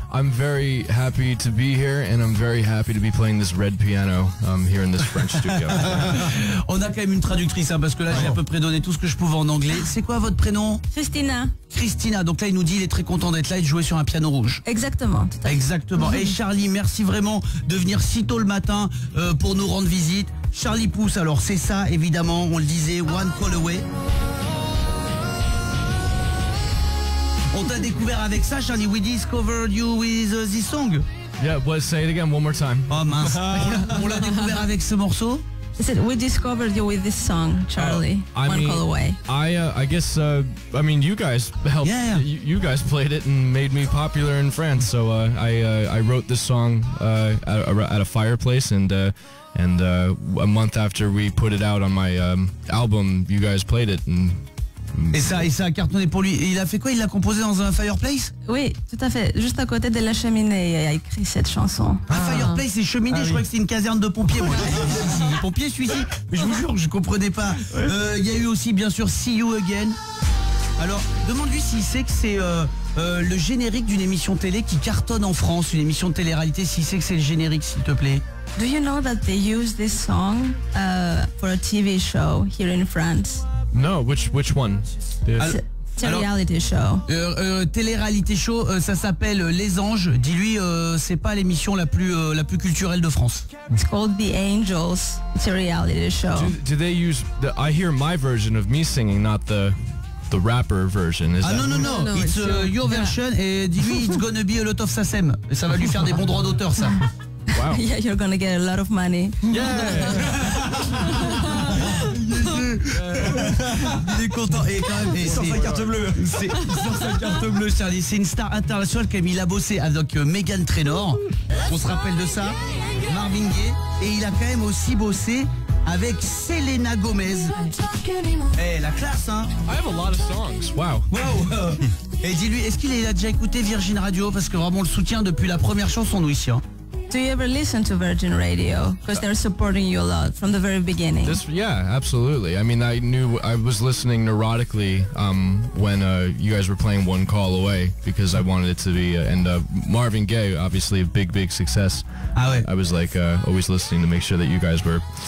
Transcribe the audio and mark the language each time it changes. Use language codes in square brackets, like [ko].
[en] I'm very happy to be here and I'm very happy to be playing this red piano here in this French studio. [fr] On a quand même une traductrice hein, parce que là j'ai à peu près donné tout ce que je pouvais en anglais. C'est quoi votre prénom? Christina. Christina, donc là il nous dit il est très content d'être là et de jouer sur un piano rouge. Exactement. Exactement. Mmh. Et Charlie, merci vraiment de venir si tôt le matin pour nous rendre visite. Charlie Pousse, alors c'est ça évidemment, on le disait, One Call Away. On t'a découvert avec ça, Charlie. [en] We discovered you with this song. Yeah, but say it again one more time. [fr] Oh mince. On l'a découvert avec ce morceau. [en] We discovered you with this song, Charlie. One call away. I guess you guys helped. Yeah, yeah. You guys played it and made me popular in France. So I wrote this song at a fireplace and a month after we put it out on my album, you guys played it and. [fr] Et ça a cartonné pour lui. Et il a fait quoi? Il l'a composé dans un fireplace? Oui, tout à fait. Juste à côté de la cheminée, il a écrit cette chanson. Un fireplace et cheminée, je crois que c'est une caserne de pompiers. Pompiers, celui-ci. Mais je vous jure, je comprenais pas. Il y a eu aussi, bien sûr, See You Again. Alors, demande-lui s'il sait que c'est le générique d'une émission télé qui cartonne en France, une émission de télé-réalité, s'il sait que c'est le générique, s'il te plaît. [en] Do you know that they use this song for a TV show here in France? No, which one? [fr] Télé-réalité show, ça s'appelle Les Anges. Dis-lui, c'est pas l'émission la plus culturelle de France. [en] It's called The Angels. It's a reality show. Do they use the? I hear my version of me singing, not the rapper version. No. It's your version. Yeah. [fr] Et dis-lui, [en] it's gonna be a lot of SACEM. [fr] Et ça va lui faire des bons droits d'auteur, ça. Wow. [en] Yeah, you're gonna get a lot of money. Yeah. [fr] Il est content et quand même, il sort sa carte bleue Charlie, c'est une star internationale quand même. Il a bossé avec Meghan Trainor, on se rappelle de ça, Marvin Gaye, et il a quand même aussi bossé avec Selena Gomez. Eh, la classe hein. [en] I have a lot of songs. Wow. [fr] Et dis-lui, est-ce qu'il a déjà écouté Virgin Radio, parce que vraiment on le soutient depuis la première chanson nous ici hein. [en] Do you ever listen to Virgin Radio? Because they're supporting you a lot from the very beginning. Yeah, absolutely. I mean, I was listening neurotically when you guys were playing One Call Away because I wanted it to be, and Marvin Gaye, obviously a big, big success. [fr] Ah ouais. [en] I was like always listening to make sure that you guys were...